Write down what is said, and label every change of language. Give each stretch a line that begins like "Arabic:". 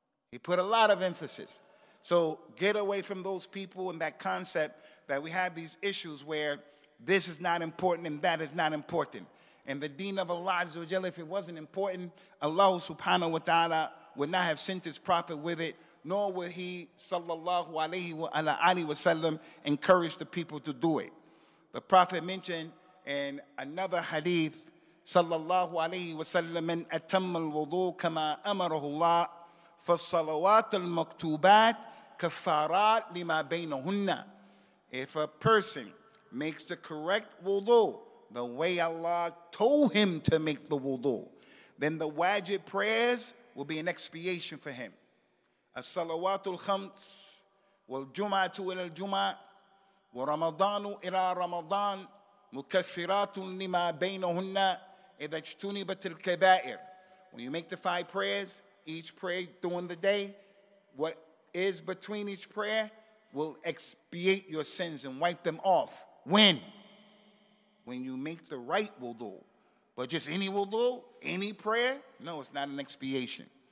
English: He put a lot of emphasis. So get away from those people and that concept that we have these issues where this is not important and that is not important. And the deen of Allah Azza wa Jalla, if it wasn't important, Allah subhanahu wa ta'ala would not have sent his prophet with it, nor would he, sallallahu alayhi wa alayhi wa sallam, encourage the people to do it. The prophet mentioned in another hadith,
Arabic: sallallahu alayhi wa sallam, من أتم الوضوء كما أمره الله فالصلوات المكتوبات كفارات لما بينهن.
English: If a person makes the correct wudu the way Allah told him to make the wudu, then the wajib prayers will be an expiation for him.
Arabic: الصلوات الخمس والجمعة إلى الجمعة ورمضان إلى رمضان مكفرات لما بينهن إذا اجتنبت الكبائر.
English: When you make the five prayers, each prayer during the day, what is between each prayer will expiate your sins and wipe them off. When? When you make the right wudu. But just any wudu, any prayer? No, it's not an expiation.